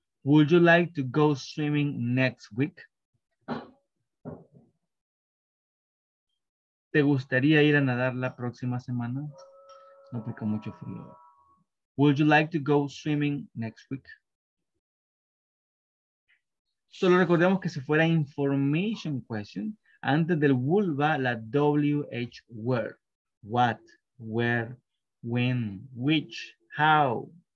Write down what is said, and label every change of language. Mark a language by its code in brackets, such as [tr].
[en] Would you like to go swimming next week? [es] ¿Te gustaría ir a nadar la próxima semana? No, porque mucho frío. [en] Would you like to go swimming next week? [es] Solo recordemos que si fuera information question, antes del would va la WH word. What? [en] Where, when, which, how.